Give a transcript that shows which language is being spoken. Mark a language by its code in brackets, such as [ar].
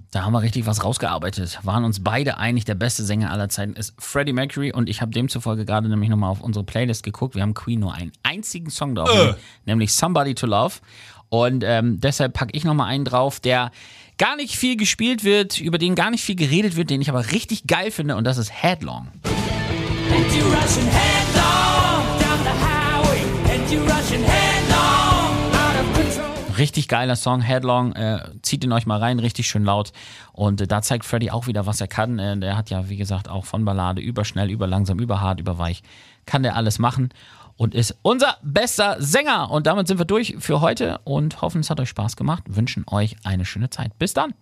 [de] Da haben wir richtig was rausgearbeitet. Waren uns beide einig, der beste Sänger aller Zeiten ist Freddie Mercury und ich habe demzufolge gerade nämlich nochmal auf unsere Playlist geguckt. Wir haben Queen nur einen einzigen Song drauf, nämlich Somebody to Love. Und deshalb packe ich nochmal einen drauf, der gar nicht viel gespielt wird, über den gar nicht viel geredet wird, den ich aber richtig geil finde und das ist Headlong. [en] And you're rushing headlong down the highway. And you're rushing headlong out of control. [de] Richtig geiler Song, Headlong, zieht ihn euch mal rein, richtig schön laut. Und da zeigt Freddy auch wieder, was er kann. Der hat ja, wie gesagt, auch von Ballade über schnell, über langsam, über hart, über weich, kann der alles machen. Und ist unser bester Sänger. Und damit sind wir durch für heute und hoffen, es hat euch Spaß gemacht. Wünschen euch eine schöne Zeit. Bis dann.